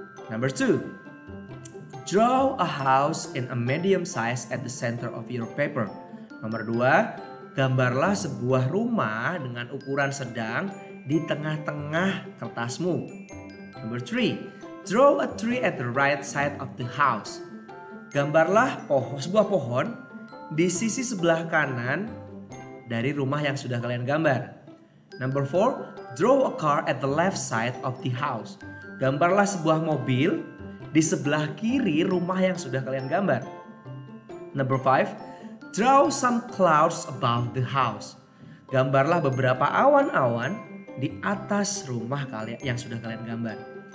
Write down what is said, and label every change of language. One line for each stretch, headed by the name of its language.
English: Number 2, draw a house in a medium size at the center of your paper.
Indonesian: Nomor 2, gambarlah sebuah rumah dengan ukuran sedang di tengah-tengah kertasmu.
English: Number 3, draw a tree at the right side of the house.
Indonesian: Gambarlah sebuah pohon di sisi sebelah kanan dari rumah yang sudah kalian gambar.
English: Number 4, draw a car at the left side of the house.
Indonesian: Gambarlah sebuah mobil di sebelah kiri rumah yang sudah kalian gambar.
English: Number 5, draw some clouds above the house.
Indonesian: Gambarlah beberapa awan-awan di atas rumah yang sudah kalian gambar.